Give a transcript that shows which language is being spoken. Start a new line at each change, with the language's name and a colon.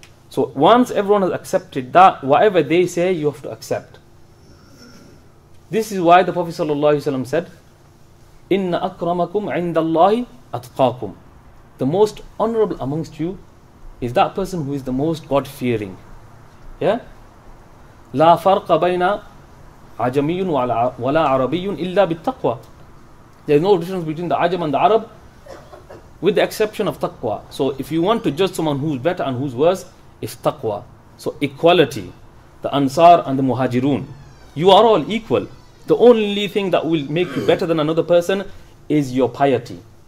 English: So once everyone has accepted that, whatever they say, you have to accept. This is why the Prophet sallallahu alaihi wasallam said,
Arabic: "Inna akramakum 'indallahi atqakum."
English: The most honorable amongst you is that person who is the most God-fearing. Yeah?
Arabic: لا فرق بين عجمي ولا عربي إلا بالتقوى.
English: There is no difference between the Ajam and the Arab, with the exception of taqwa. So if you want to judge someone who's better and who's worse, it's taqwa. So equality, the Ansar and the Muhajirun. You are all equal. The only thing that will make you better than another person is your piety.